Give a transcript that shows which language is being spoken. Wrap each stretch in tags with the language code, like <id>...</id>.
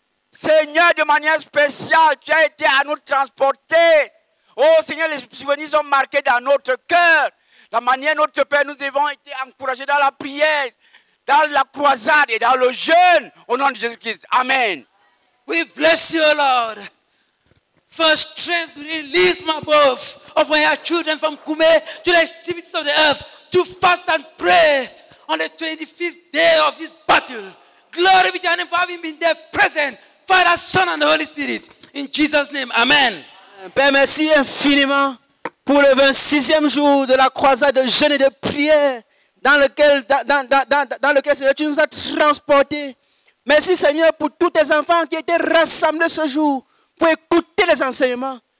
<fr>Seigneur, de manière spéciale, tu as été à nous transporter. Oh Seigneur, les souvenirs sont marqués dans notre cœur. La manière dont notre Père nous avons été encouragés dans la prière, dans la croisade et dans le jeûne. Au nom de Jésus-Christ. Amen.</fr> <en>We bless you, Lord. For strength release my both of my children from Kume to the extremities of the earth to fast and pray on the 25th day of this battle. Glory be to your name for having been there present, Father, Son, and the Holy Spirit. In Jesus' name, Amen.</en> <fr>Père, merci infiniment pour le 26e jour de la croisade de jeûne et de prière dans lequel Seigneur, tu nous as transportés. Merci Seigneur pour tous tes enfants qui étaient rassemblés ce jour pour écouter les enseignements.</fr>